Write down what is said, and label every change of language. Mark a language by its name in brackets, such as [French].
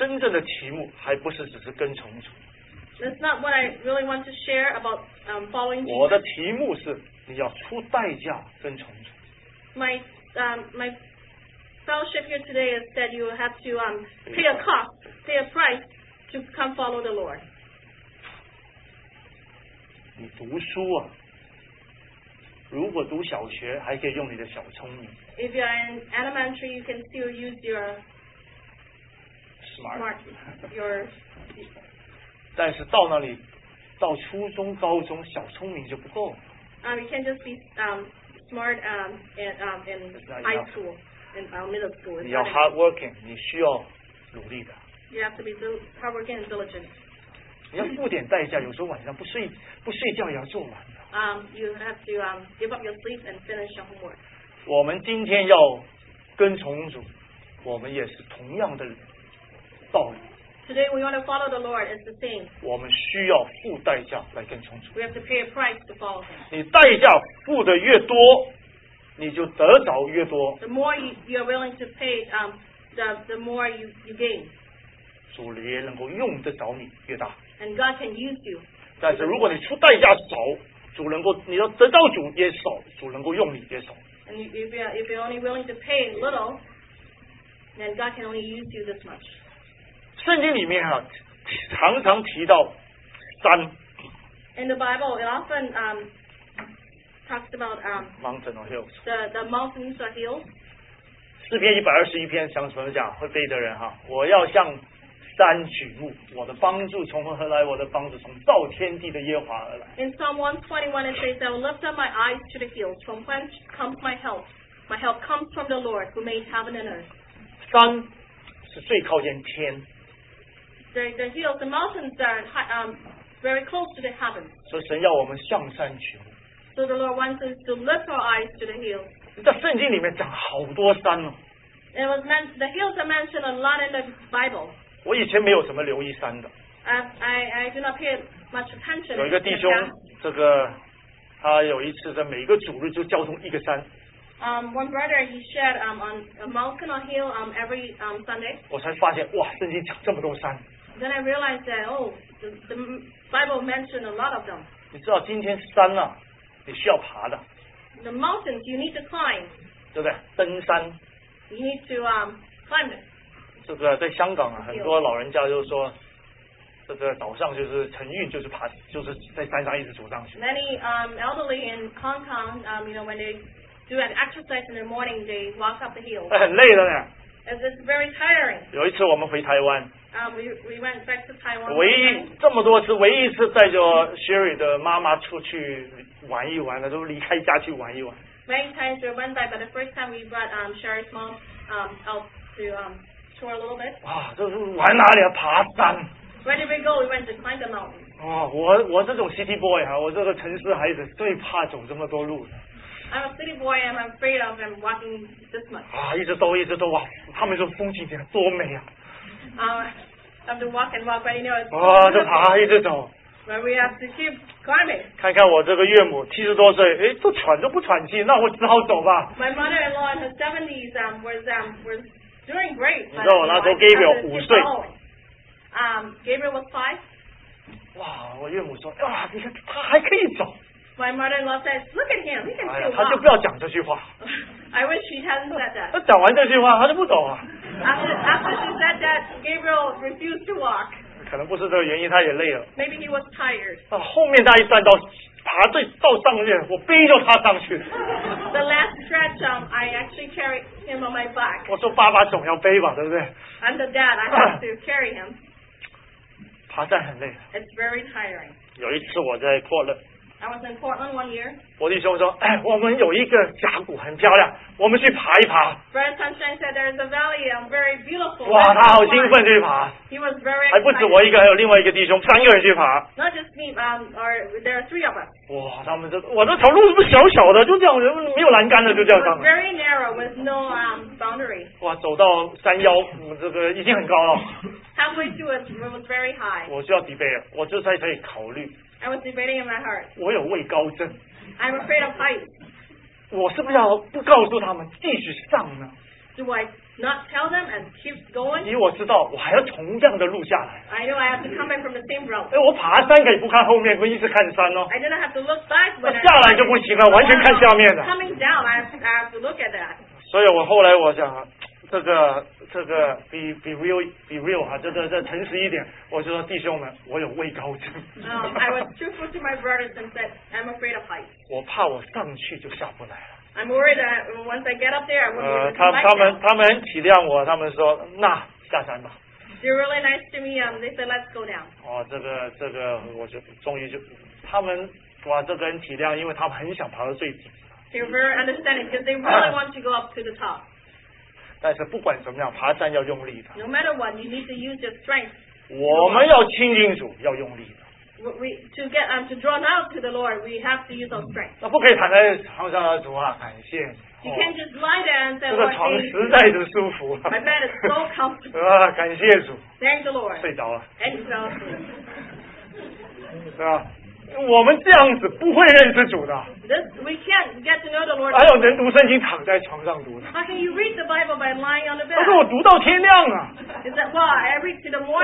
[Chinese] 我今天的真正的题目还不是只是跟从主。 [English] That's not what I really want to share about following Jesus. [Chinese] 我的题目是你要出代价跟从主。 [English] My fellowship here today is that you have to pay a cost, pay a price, to come follow the Lord. [Chinese] 你读书啊, 如果读小学, 还可以用你的小聪明。 [English] If you are in elementary, you can still use your smart. Your [Chinese] 但是到那里, 到初中, 高中, 小聪明就不够。 [English] You can't just be smart in high school, in middle school. [Chinese] 你要 hardworking, 你需要努力的。 [English] You have to be hardworking and diligent. [Chinese] 你要付点代价,有时候晚上不睡觉也要做完。 [English] You have to give up your sleep and finish your homework. [Chinese] 我们今天要跟从主, 我们也是同样的道理。 [English] Today we want to follow the Lord, it's the same. [Chinese] 我们需要付代价来跟从主。 [English] We have to pay a price to follow him. [Chinese] 你代价付得越多, 你就得着越多。 [English] The more you are willing to pay, the more you gain. [Chinese] 主也能够用得着你越大。 [English] And God can use you. [Chinese] 但是如果你出代价少, 主能够, 你要得到主也少, 主能够用你也少。 [English] And if you're only willing to pay little, then God can only use you this much. [Chinese] 圣经里面啊, 常常提到山。 [English] In the Bible, it often talks about mountain or hills. The mountains or hills. [Chinese] 诗篇121篇, 想怎么讲, 会背的人啊, 我要向 山举目, 我的帮助从何来, 我的帮助从造天地的耶和华而来。 [English] In Psalm 121 it says, I will lift up my eyes to the hills, from whence comes my help. My help comes from the Lord, who made heaven and earth. [Chinese] 山是最靠近天。 [English] The hills, the mountains are very close to the heavens. [Chinese] 所以神要我们向山举目。 [English] So the Lord wants us to lift our eyes to the hills. [Chinese] 在圣经里面讲好多山哦。 [English] It was mentioned, the hills are mentioned a lot in the Bible. [Chinese] 我以前没有什么留意山的。 [English] I do not pay much attention. [Chinese] 有一个弟兄, 这个, 他有一次在每个主日就交通一个山。 [English] One brother, he shared on a mountain or hill every Sunday. [Chinese] 我才发现, 哇, 圣经讲这么多山。 [English] Then I realized that, oh, the Bible mentioned a lot of them. [Chinese] 你知道今天山啊, 你需要爬的。 [English] The mountains, you need to climb. [Chinese] 对不对?登山。 [English] You need to climb it. [Chinese] 这个在香港啊, 很多老人家就说, 这个早上就是晨运就是爬, 就是在山上一直走上去。 [English] Many elderly in Hong Kong, you know, when they do an exercise in the morning, they walk up the hill. [Chinese] 很累的呢。 [English] It's very tiring. [Chinese] 有一次我们回台湾, [English] we went back to Taiwan. [Chinese] 唯一这么多次, 唯一一次带着 Sherry的妈妈出去玩一玩, 都离开家去玩一玩。 [English] Many times we went back, but the first time we brought Sherry's mom out to for a little bit. [Chinese] 哇,这是玩哪里啊?爬山。 [English] Where did we go? We went to climb the mountain. [Chinese] 哦,我这种 [English] city boy, [Chinese] 我这个城市孩子, 最怕走这么多路的。 [English] I'm a city boy, and I'm afraid of them walking this much. [Chinese] 啊,一直兜,一直兜,哇,他们说风景怎样,多美啊。 [English] have to walk and walk, but you know it's. [Chinese] 啊，就爬一直走。 [English] But we have to keep climbing. [Chinese] 看看我这个岳母七十多岁，哎，都喘都不喘气，那我只好走吧。 [English] My mother-in-law in her seventies was doing great. [Chinese] 你知道我那时候 Gabriel 五岁。 [English] Gabriel was five. [Chinese] 哇，我岳母说，啊，你看他还可以走。 [English] My mother-in-law says, "Look at him. He can still walk." [Chinese] 他就不要讲这句话。 [English] I wish she hadn't said that. [Chinese] 他讲完这句话，他就不走啊。 [English] After she said that, Gabriel refused to walk. [Chinese] 可能不是这个原因，他也累了。 [English] Maybe he was tired. [Chinese] 啊，后面那一段到爬最到上面，我背着他上去。 [English] The last stretch, I actually carried him on my back. [Chinese] 我说爸爸总要背吧，对不对 [English] ？I'm the dad. I have to carry him. [Chinese] 爬山很累。 [English] It's very tiring. [Chinese] 有一次我在破了。 [English] I was in Portland one year. [Chinese] 伯弟兄说，哎，我们有一个峡谷很漂亮，我们去爬一爬。 [English] Brother Sunshine said there is a valley, very beautiful. [Chinese] 哇，他好兴奋去爬。 [English] He was very. [Chinese] 还不止我一个，还有另外一个弟兄，三个人去爬。 [English] Not just me, there are three of us. [Chinese] 哇，他们这，我这条路是不是小小的，就这样，没有栏杆的，就这样上。 [English] Very narrow with no boundary. [Chinese] 哇，走到山腰，这个已经很高了。 [English] Halfway to it, it was very high. [Chinese] 我需要脊背了，我这才可以考虑。 [English] I was debating in my heart. [Chinese] 我有畏高症。 [English] I'm afraid of heights. [Chinese] 我是不是要不告诉他们继续上呢 [English] ？Do I not tell them and keep going? [Chinese] 因为我知道我还要同样的路下来。 [English] I know I have to come back from the same road. [Chinese] 哎，我爬山可以不看后面，可以一直看山哦。 [English] I didn't have to look back. [Chinese] 那下来就不行了，完全看下面的。 [English] Coming down, I have to look at that. [Chinese] 所以我后来我想。这个 [English] be real [Chinese] 哈，这诚实一点，我就说弟兄们，我有畏高症。 [English] I was truthful to my brothers and said I'm afraid of heights. [Chinese] 我怕我上去就下不来了。 [English] I'm worried that once I get up there, I won't be able to come back. [Chinese] 他们很体谅我，他们说那下山吧。 [English] They're really nice to me. They said let's go down. [Chinese] 哦，这个我就终于就他们哇，这个很体谅，因为他们很想爬到最顶。 [English] They're very understanding because they really want to go up to the top. [Chinese] 但是不管怎么样，爬山要用力的。 [English] No matter what, you need to use your strength. [Chinese] 我们要亲近主，要用力的。 [English] We to get to draw out to the Lord, we have to use our strength. [Chinese] 那不可以躺在床上啊，主啊，感谢。 [English] You can't just lie there and say, [Chinese] 这个床实在是舒服。 [English] My bed is so comfortable. [Chinese] 啊，感谢主。 [English] Thank the Lord. [Chinese] 睡着了。 [English] And he fell asleep. [Chinese] 是吧？我们这样子不会认识主的。 [English] We can't get to know the Lord. [Chinese] 还有人读圣经躺在床上读的。 [English] How can you read the Bible by lying on the bed? [Chinese] 他说我读到天亮啊。 [English] Is that why I read to the morning?